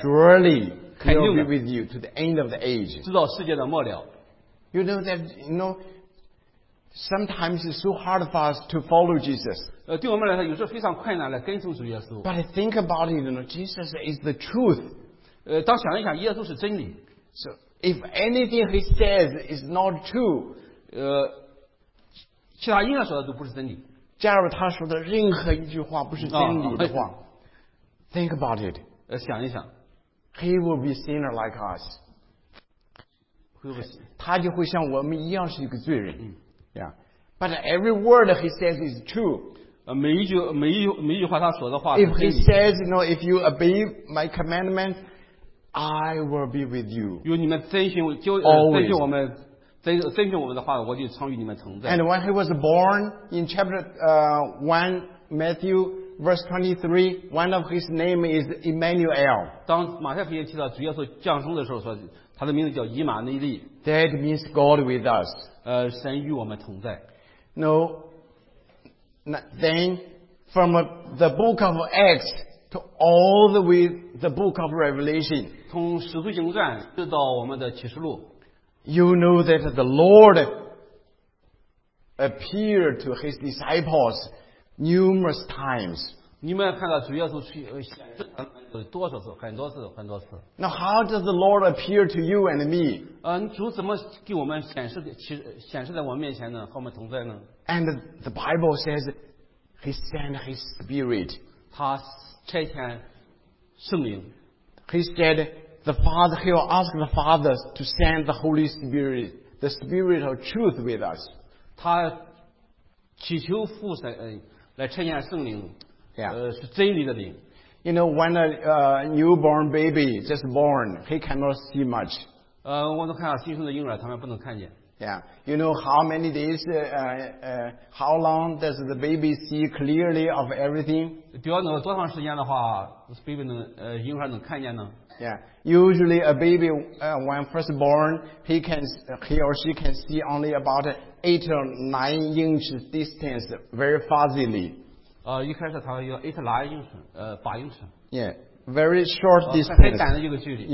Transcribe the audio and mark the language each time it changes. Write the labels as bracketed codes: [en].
[en] Surely he will be with you to the end of the age. [zh] 直到世界的末了。 [en] You know that, you know, sometimes it's so hard for us to follow Jesus. [zh] 对我们来说，有时候非常困难来跟从主耶稣。 [en] But think about it, you know, Jesus is the truth. [zh] 当想一想，耶稣是真理。 [en] So if anything he says is not true, [zh] 其他应该说的都不是真理。假如他说的任何一句话不是真理的话、 [en] think about it. [zh] 想一想。 [en] He will be sinner like us. [zh] 他就会像我们一样是一个罪人。 [en] But every word he says is true. [zh] 每一句话他说的话是真理。 [en] If he says, you know, if you obey my commandment, I will be with you. [zh] 如果你们遵循，就遵循我们。遵循我们的话，我就常与你们同在。 [en] And when he was born in chapter 1, Matthew verse 23, one of his name is Emmanuel. [zh] 当马太福音提到主耶稣降生的时候说，他的名字叫以马内利。 [en] That means God with us. [zh] 神与我们同在。 [en] No. Then from the book of Acts to all the way the book of Revelation. [zh] 从使徒行传直到我们的启示录。 [en] You know that the Lord appeared to his disciples numerous times. [zh] 你们看到主耶稣多少次？很多次，很多次。 [en] Now, how does the Lord appear to you and me? [zh] 主怎么给我们显示在我们面前呢？和我们同在呢？ [en] And the Bible says he sent his spirit. [zh] 他差遣圣灵。 [en] He said. The Father, he will ask the Father to send the Holy Spirit, the Spirit of Truth with us. [zh] 他祈求父神来差遣圣灵， [en] yeah. [zh] 是真理的灵。 [en] You know, when a newborn baby just born, he cannot see much. [zh] 我都看到新生的婴儿，他们不能看见。 [en] Yeah, you know how many days, how long does the baby see clearly of everything? [zh] 比方说多长时间的话 ，baby 能婴儿能看见呢？ [en] Yeah, usually a baby when first born, he or she can see only about 8 or 9 inches distance very fuzzily. [zh] 一开始他有8 inches, 8 inches. [en] Yeah, very short distance. [zh] 很短的一个距离。